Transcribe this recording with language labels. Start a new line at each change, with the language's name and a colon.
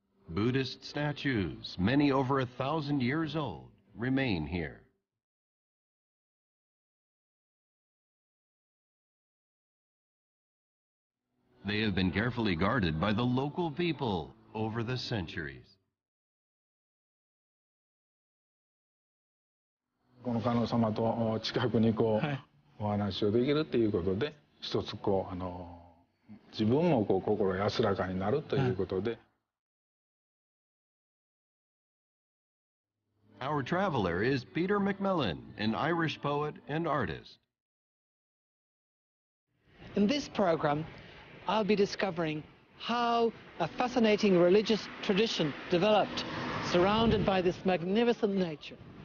English: Buddhist statues, many over 1,000 years old, remain here. They have been carefully guarded by the local people over the centuries.
Japanese: この観音様と近くにこう、はい、お話をできるということで、一つこう自分もこう心安らかになるということで。
English: はい、Our traveler is Peter McMillan, an Irish poet and artist. In this program,I'll be discovering how a fascinating religious tradition developed, surrounded by this magnificent nature.